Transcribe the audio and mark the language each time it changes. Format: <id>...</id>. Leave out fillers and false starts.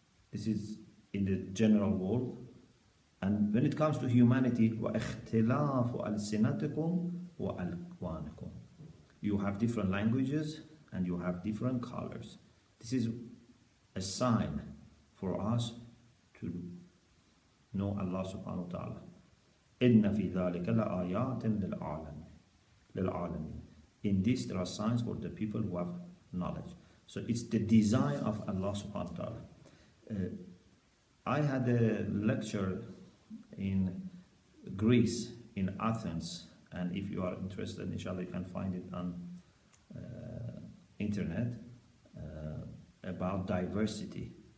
<en>This is in the general world. And when it comes to humanity,</en> <ar>وَاخْتِلَافُ أَلْسِنَتِكُمْ وَأَلْوَانِكُمْ.</ar> <en>You have different languages and you have different colors. This is a sign for us to know Allah subhanahu wa ta'ala.</en> <ar>إن في ذلك لآيات للعالمين.</ar> <en>In this there are signs for the people who have knowledge. So it's the design of Allah subhanahu wa ta'ala. I had a lecture in Greece, in Athens, and if you are interested, inshallah, you can find it on internet, about diversity.</en>